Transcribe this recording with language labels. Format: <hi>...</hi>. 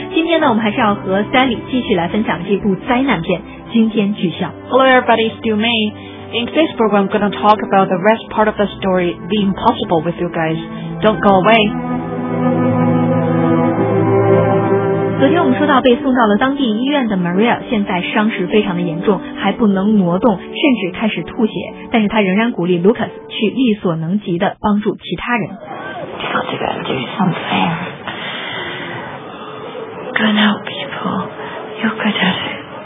<zh>今天呢，我们还是要和 Sally 继续来分享这部灾难片《惊天巨响》。</zh> <en>Hello, everybody, it's still me. In today's program, I'm going to talk about the rest part of the story, The Impossible, with you guys. Don't go away.</en> <zh>昨天我们说到被送到了当地医院的 Maria 现在伤势非常的严重，还不能挪动，甚至开始吐血，但是她仍然鼓励 Lucas 去力所能及的帮助其他人。</zh> <en>You've got to go and do something. Go and help people. You're good at it.</en>